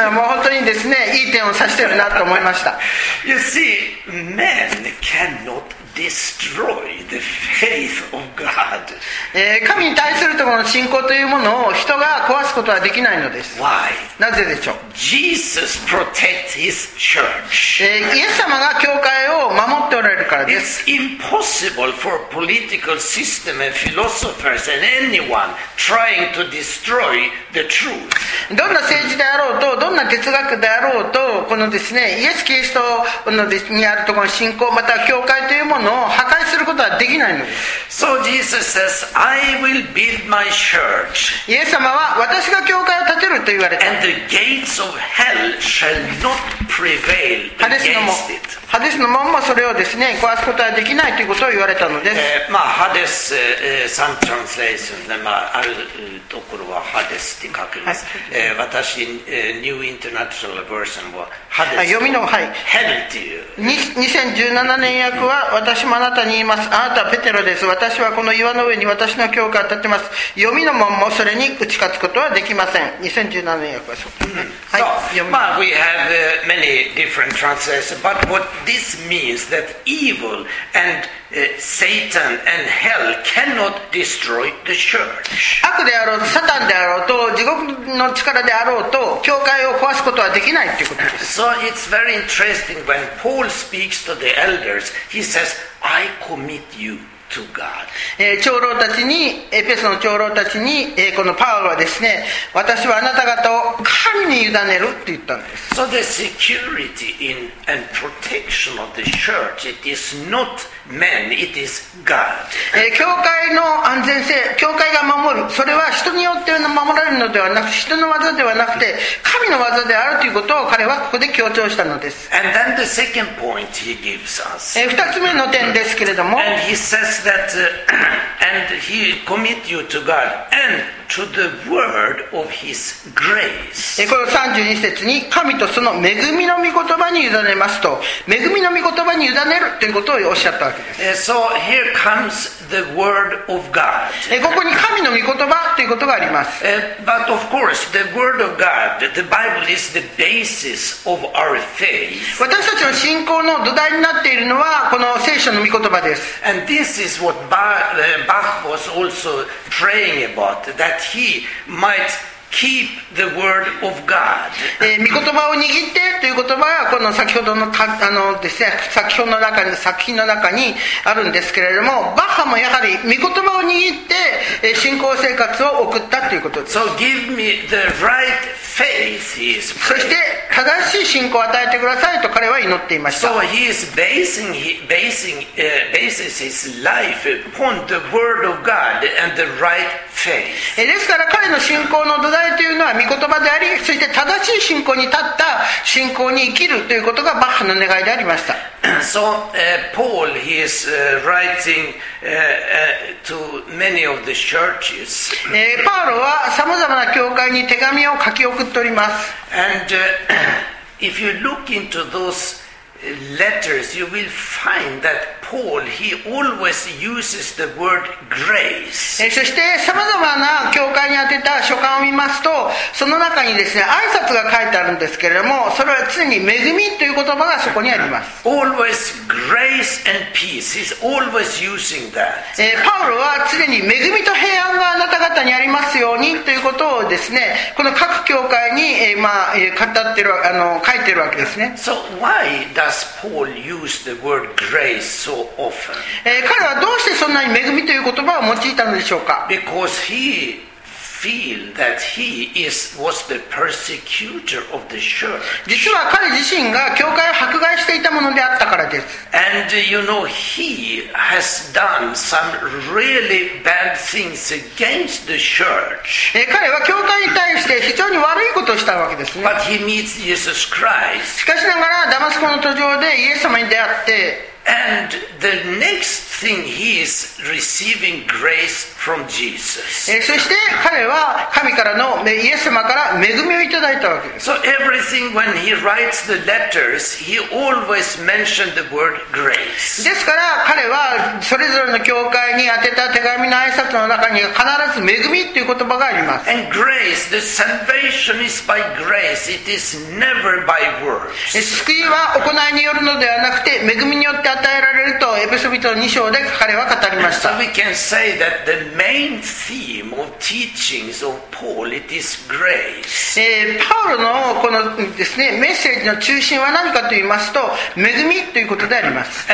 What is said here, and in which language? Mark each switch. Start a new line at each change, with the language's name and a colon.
Japanese: もう本当にですね、いい点を指してるなと思いました。
English: You see, men cannot destroy the faith of God.
Japanese: 神に対するところの信仰というものを人が壊すことはできないのです。
English: Why?
Japanese: なぜでしょう。
English: Jesus protects his church.
Japanese: イエス様が教会を守っておられるからです。
English: It's impossible for political system and philosophers and anyone trying to destroy the truth.
Japanese: どんな政治であろうと、どんな哲学であろうと、このですね、イエス・キリストのにあるところの信仰、または教会というものを破壊することはできないのです。
English: So Jesus says, I will build my church.
Japanese: イエス様は私が教会を建てると言われた。
English: And the gates of hell shall not prevail against it.
Japanese: ハデスの門もそれをですね、壊すことはできないということを言われたのです。まあ、ハデス、
English: some translations,
Japanese: まあ、あるところはハデスって書きます。私、New International Version はハデス。読みの、はい。ヘルっていう。 2017年訳は私私もあなたに言います。あなたはペテロです。私はこの岩の上に私の教会を建てます。黄泉の門もそれに打ち勝つことはできません。 2017年訳です。
English: So, well, we have many different translations, but what this means that evil and Satan and hell cannot destroy the church.
Japanese: 悪であろうと、サタンであろうと、地獄の力であろうと、教会を壊すことはできないということです。
English: So it's very interesting when Paul speaks to the elders, he says, I commit you. To God.
Japanese: 長老たちに、エペソの長老たちに、このパウロはですね、私はあなた方を神に委ねると言ったんです。
English: So the security in and protection of the church, it is not men, it is God.
Japanese: 教会の安全性、教会が守る、それは人によっての守られるのではなく、人の技ではなくて、神の技であるということを彼はここで強調したのです。
English: And then the second point he gives us.
Japanese: 二つ目の点ですけれども、
English: And he says,That and he commit you to God and to the word of His grace.
Japanese: この32節に神とその恵みの御言葉に委ねますと、恵みの御言葉に委ねるということをおっしゃったわけです。
English: So here comes the word of God.
Japanese: ここに神の御言葉ということがあります。
English: But of course, the word of God, the Bible is the basis of our faith.
Japanese: 私たちの信仰の土台になっているのはこの聖書の御言葉です。
English: And this is what Bach was also praying about, that he might keep the word of God.
Japanese: 御言葉を握ってという言葉はこの先ほどの、ですね、先ほどの中に、作品の中にあるんですけれども、バッハもやはり御言葉を握って、信仰生活を送ったということです。
English: So give me the right faith, he is praying.
Japanese: そして正しい信仰を与えてくださいと彼は祈っていました。
English: So he is basing his life upon the word of God and the right faith.
Japanese: ですから彼の信仰の土台というのは御言葉であり、そして正しい信仰に立った信仰に生きるということがバッハの願いでありました。
English: So, Paul, he is writing to many of the churches.
Japanese: パウロはさまざまな教会に手紙を書き送っております。
English: And if you look into those letters, you will find that Paul, he always uses the word grace.
Japanese: そしてさまざまな教会に宛てた書簡を見ますと、その中にですね、挨拶が書いてあるんですけれども、それは常に恵みという言葉がそこにあります。
English: Always grace and peace. He's always using that.
Japanese: パウロは常に恵みと平安があなた方にありますようにということをですね、この各教会に、語ってる、書いてるわけですね。
English: So why does Paul use the word grace? So often.
Japanese: 彼はどうしてそんなに恵みという言葉を用いたのでしょうか。
English: Because he feel that he was the persecutor of the church.
Japanese: 実は彼自身が教会を迫害していたものであったからです。
English: And you know, he has done some really bad things against the church.
Japanese: 彼は教会に対して非常に悪いことをしたわけですね。
English: But he meets Jesus Christ.
Japanese: しかしながらダマスコの途上でイエス様に出会って、
English: And the next thing he is receiving grace from Jesus.
Japanese: そして彼は神からの、イエス様から恵みをいただいたわけです。
English: So everything when he writes the letters, he always mentioned the word grace.
Japanese: ですから彼はそれぞれの教会に宛てた手紙の挨拶の中に必ず恵みという言葉があります。
English: And grace, the salvation is by grace. It is never by works.
Japanese: 救いは行いによるのではなくて、恵みによって与えられるとエペソ人の2章で彼は語りました。
English: So we can say that the main theme of teachings of Paul it is grace.
Japanese: パウロのこのですねメッセージの中心は何かと言いますと、恵みということであります。